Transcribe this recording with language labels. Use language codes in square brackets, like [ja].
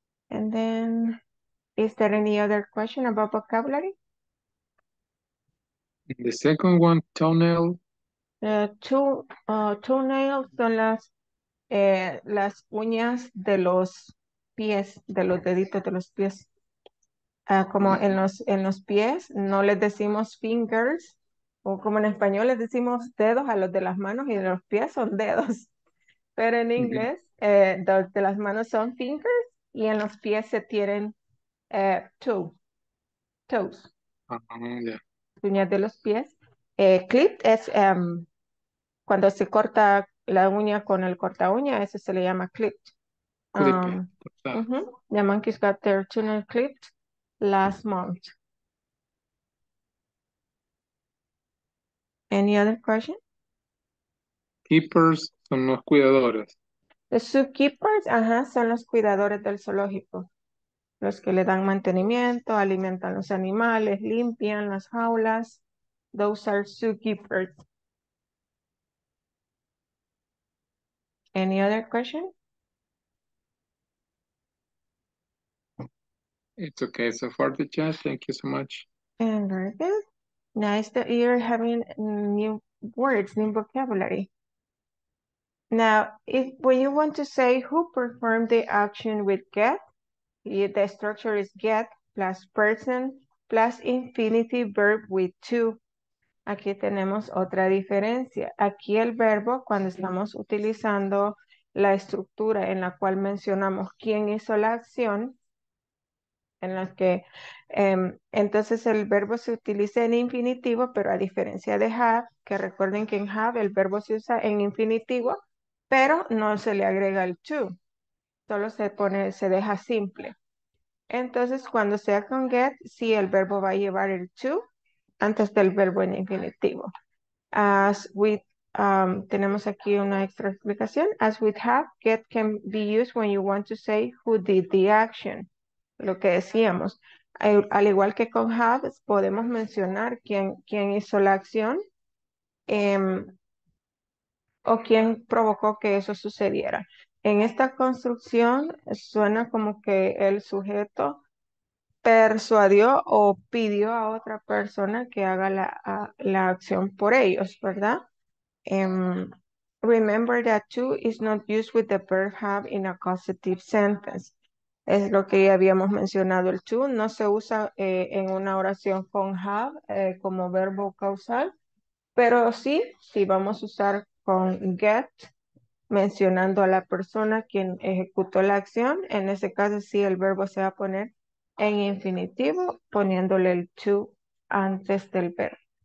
[en] And then, is there any other question about vocabulary? The second one, toenail. [es] Toenails son las uñas de los pies, de los deditos de los pies. Como en los pies, no les decimos fingers, o como en español les decimos dedos a los de las manos y de los pies son dedos. Pero en inglés, de las manos son fingers y en los pies se tienen toes. [en] Yeah. [es] Uñas de los pies. Clip es cuando se corta la uña con el corta uña, ese se le llama clipped. [en] The monkeys got their toenail clipped last month. Any other question? [es] Keepers son los cuidadores. [en] The zookeepers, [es] ajá, son los cuidadores del zoológico. Los que le dan mantenimiento, alimentan los animales, limpian las jaulas. [en] Those are zookeepers. Any other question? It's okay so far, teacher. Thank you so much. And very good. Nice that you're having new words, new vocabulary. Now, if when you want to say who performed the action with get, the structure is get plus person plus infinitive verb with to. [es] Aquí tenemos otra diferencia. Aquí el verbo, cuando estamos utilizando la estructura en la cual mencionamos quién hizo la acción, en la que entonces el verbo se utiliza en infinitivo, pero a diferencia de have, que recuerden que en have el verbo se usa en infinitivo, pero no se le agrega el to, solo se deja simple. Entonces, cuando sea con get, sí, el verbo va a llevar el to antes del verbo en infinitivo. As with, tenemos aquí una extra explicación. [en] As with have, get can be used when you want to say who did the action. [es] Lo que decíamos. Al igual que con have, podemos mencionar quién hizo la acción o quién provocó que eso sucediera. En esta construcción suena como que el sujeto persuadió o pidió a otra persona que haga la acción por ellos, ¿verdad? [en] Remember that to is not used with the verb have in a causative sentence. [es] Es lo que ya habíamos mencionado, el to no se usa en una oración con have como verbo causal, pero sí, sí vamos a usar con get, mencionando a la persona quien ejecutó la acción. En ese caso, sí, el verbo se va a poner en infinitivo, poniéndole el to antes del verbo.